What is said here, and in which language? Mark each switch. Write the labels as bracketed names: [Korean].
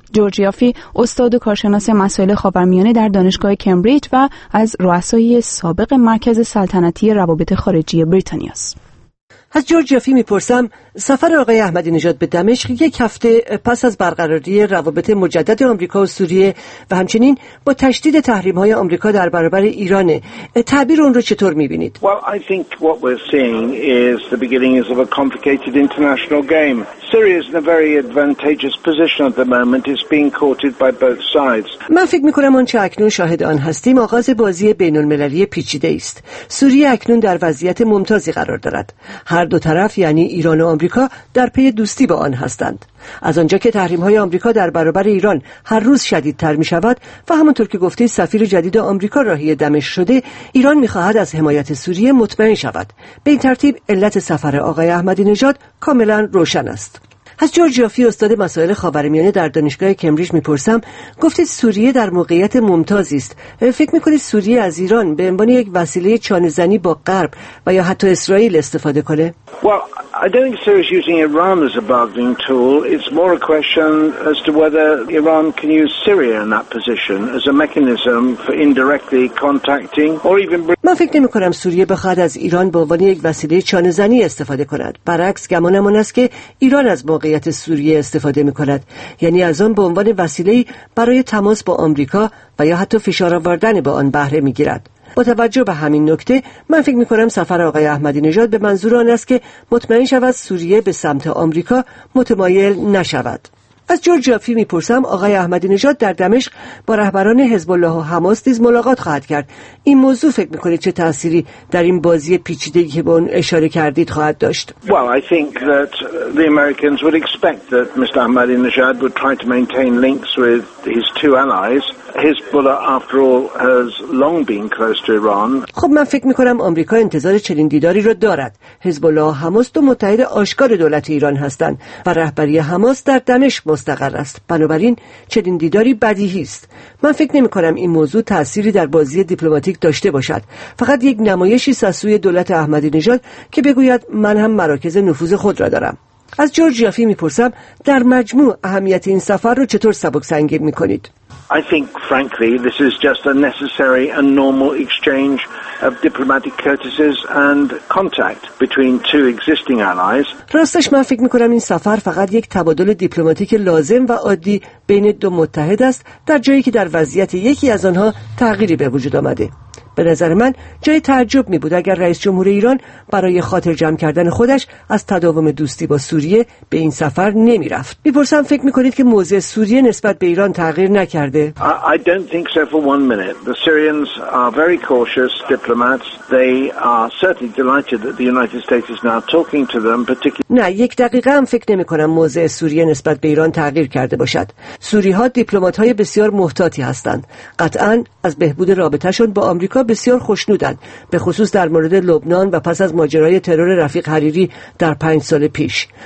[Persian] جورجی آفی استاد و کارشناس مسائل خاورمیانه در دانشگاه کمبریج و از رؤسای سابق مرکز سلطنتی روابط خارجی بریتانیاست. از جورج یافی میپرسم سفر آقای احمدی نژاد به دمشق یک هفته پس از برقراری روابط مجدد آمریکا و سوریه و همچنین با تشدید تحریم‌های آمریکا در برابر ایران، تعبیر اون رو چطور می‌بینید؟ [English] Well, I think what we're seeing is the beginnings of a complicated international game. Syria is in a very advantageous position at the moment. It's being courted by both sides. [Persian] من فکر می‌کنم آنچه اکنون شاهد آن هستیم آغاز بازی بین‌المللی پیچیده است. سوریه اکنون در وضعیت ممتازی قرار دارد. هر دو طرف یعنی ایران و آمریکا در پی دوستی با آن هستند. از آنجا که تحریم‌های آمریکا در برابر ایران هر روز شدیدتر می‌شود و همانطور که گفته سفیر جدید آمریکا راهی دمشق شده، ایران می‌خواهد از حمایت سوریه مطمئن شود. به این ترتیب علت سفر آقای احمدی نژاد کاملاً روشن است. از جورج یافی استاد مسائل خاورمیانه در دانشگاه کمبریج می‌پرسم، گفتید سوریه در موقعیت ممتازی است. فکر می‌کنید سوریه از ایران به عنوان یک وسیله چانه‌زنی با غرب و یا حتی اسرائیل استفاده کنه؟ [English] Well, I don't think Syria is using Iran as a bargaining tool. It's more a question as to whether Iran can use Syria in that position as a mechanism for indirectly contacting or even. [Persian] من فکر نمی‌کنم سوریه بخواهد از ایران به عنوان یک وسیله چانه‌زنی استفاده کند. برعکس گمانم این است که ایران از موقعیت سوریه استفاده می‌کند، یعنی از آن به عنوان وسیله‌ای برای تماس با آمریکا و یا حتی فشار آوردن به آن بهره می‌گیرد. با توجه به همین نکته من فکر می‌کنم سفر آقای احمدی نژاد به منظور آن است که مطمئن شود سوریه به سمت آمریکا متمایل نشود. از جورج یافی می‌پرسم آقای احمدی نژاد در دمشق با رهبران حزب الله و حماس نیز ملاقات خواهد کرد. این موضوع فکر می‌کنید چه تأثیری در این بازی پیچیده‌ای که به اون اشاره کردید خواهد داشت؟ [English] Well, I think that the Americans would expect that Mr. Ahmadinejad would try to maintain links with his two allies. Hezbollah, after all, has long been close to Iran. [Persian] خب من فکر می‌کنم آمریکا انتظار چنین دیداری را دارد. حزب‌الله و حماس دو متحد آشکار دولت ایران هستند و رهبری حماس در دمشق مستقر است. بنابراین چنین دیداری بدیهی است. من فکر نمی‌کنم این موضوع تأثیری در بازی دیپلماتیک داشته باشد. فقط یک نمایشی از سوی دولت احمدی نژاد که بگوید من هم مراکز نفوذ خود را دارم. از جورج یافی می‌پرسم در مجموع اهمیت این سفر را چطور سبک‌سنگین می‌کنید؟ [English] I think, frankly, this is just a necessary and normal exchange of diplomatic courtesies and contact between two existing allies. [Persian] راستش من فکر می‌کنم این سفر فقط یک تبادل دیپلماتیک لازم و عادی بین دو متحد است در جایی که در وضعیت یکی از آنها تغییری به وجود آمده. به نظر من جای تعجب می بود اگر رئیس جمهور ایران برای خاطر جمع کردن خودش از تداوم دوستی با سوریه به این سفر نمی رفت. می پرسم فکر می کنید که موضع سوریه نسبت به ایران تغییر نکرده؟ [English] I don't think so for one minute. The Syrians are very cautious diplomats. They are certainly delighted that the United States is now talking to them. [Persian] نه یک دقیقه هم فکر نمی کنم موضع سوریه نسبت به ایران تغییر کرده باشد. سوری ها دیپلمات های بسیار محتاطی هستند. قطعا از بهبود رابطه شون با آمریکا بسیار خوشنودند، به خصوص در مورد لبنان و پس از ماجرای ترور رفیق حریری در 5 سال پیش.